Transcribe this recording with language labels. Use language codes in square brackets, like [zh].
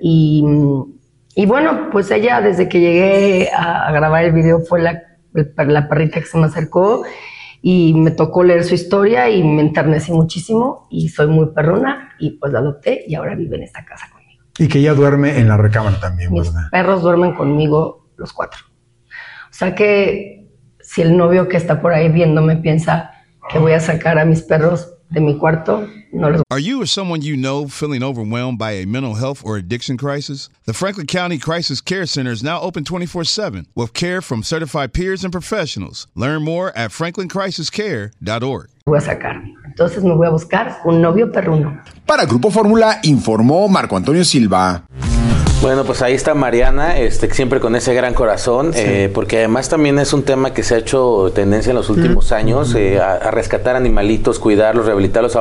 [es] Y bueno, pues ella, desde que llegué a grabar el video, fue la perrita que se me acercó y me tocó leer su historia y me enternecí muchísimo y soy muy perruna y pues la adopté y ahora vive en esta casa conmigo. Y que ella duerme en la recámara también, mis ¿verdad? Mis perros duermen conmigo los cuatro. O sea que si el novio que está por ahí viéndome piensa que voy a sacar a mis perros de mi cuarto, no los... [en] Are you or someone you know feeling overwhelmed by a mental health or addiction crisis? The Franklin County Crisis Care Center is now open 24/7 with care from certified peers and professionals. Learn more at franklincrisiscare.org. [es] Voy a sacar. Entonces me voy a buscar un novio perruno. Para Grupo Fórmula, informó Marco Antonio Silva. Bueno, pues ahí está Mariana, siempre con ese gran corazón, sí. Porque además también es un tema que se ha hecho tendencia en los últimos años, a rescatar animalitos, cuidarlos, rehabilitarlos.